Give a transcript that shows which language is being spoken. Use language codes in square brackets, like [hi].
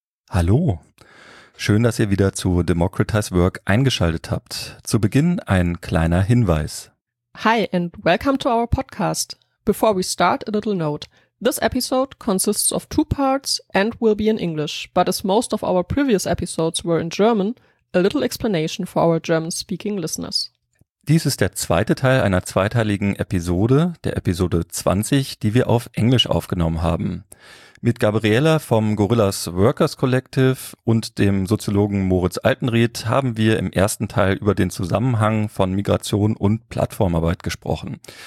[de] Hallo, schön, dass ihr wieder zu Democratize Work eingeschaltet habt. Zu Beginn ein kleiner Hinweis. [en] Hi and welcome to our podcast. Before we start, a little note. This episode consists of two parts and will be in English, but as most of our previous episodes were in German, a little explanation for our German-speaking listeners. [de] Dies ist der zweite Teil einer zweiteiligen Episode, der Episode 20, die wir auf Englisch aufgenommen haben. Mit Gabriela vom Gorillas Workers Collective und dem Soziologen Moritz Altenried haben wir im ersten Teil über den Zusammenhang von Migration und Plattformarbeit gesprochen.